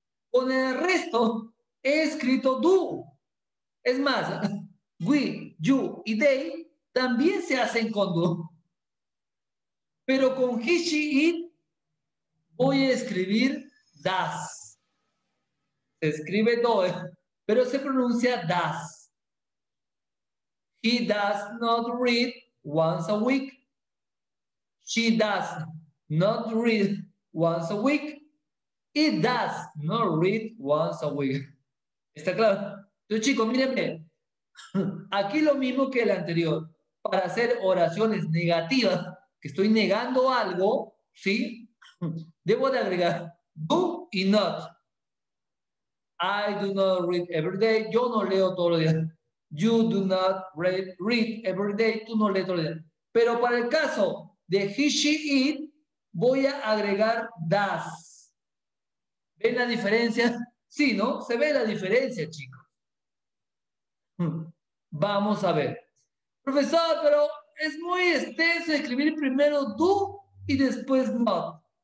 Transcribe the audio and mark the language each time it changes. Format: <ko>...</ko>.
<es>Con el resto, he escrito do. Es más, we, you y they también se hacen con do. Pero con he, she, it voy a escribir das. Se escribe doe, pero se pronuncia das.</es> <en>He does not read once a week. She does not read once a week. He does not read once a week.</en> <es>¿Está claro? Entonces, chicos, mírenme. Aquí lo mismo que el anterior. Para hacer oraciones negativas, que estoy negando algo, ¿sí? Debo de agregar do y not.</es> <en>I do not read every day.</en> <es>Yo no leo todos los días.</es> <en>You do not read every day.</en> <es>Tú no lees todos los días. Pero para el caso de he, she, it, voy a agregar does. ¿Ven la diferencia? Sí, ¿no? Se ve la diferencia, chicos. Vamos a ver. Profesor, pero es muy extenso escribir primero do y después not.</es>